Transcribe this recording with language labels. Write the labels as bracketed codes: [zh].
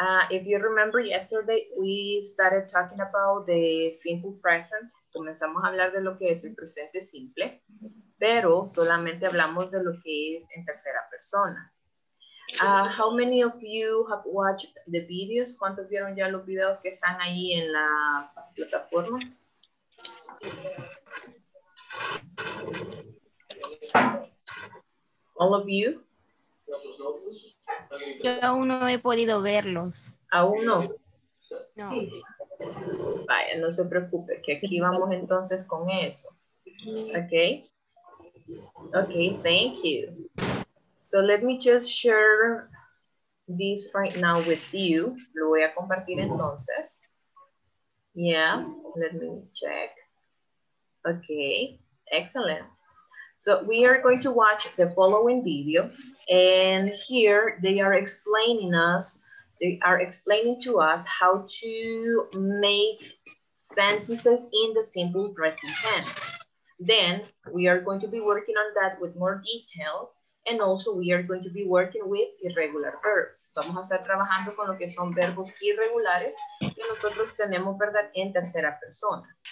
[en] If you remember yesterday, we started talking about the simple present. [es] Comenzamos a hablar de lo que es el presente simple, pero solamente hablamos de lo que es en tercera persona. [en] How many of you have watched the videos? [es] ¿Cuántos vieron ya los videos que están ahí en la plataforma? [en] All of you? [es] Yo aún no he podido verlos. ¿Aún no? No. Vaya, no se preocupe, que aquí vamos entonces con eso. [en] Okay. Okay, thank you. So let me just share this right now with you. [es] Lo voy a compartir entonces. [en] Yeah, let me check. Okay, excellent. So we are going to watch the following video, and here they are explaining us, they are explaining to us how to make sentences in the simple present tense. Then we are going to be working on that with more details, and also we are going to be working with irregular verbs. [es] Vamos a estar trabajando con lo que son verbos irregulares que nosotros tenemos, ¿verdad?, en tercera persona.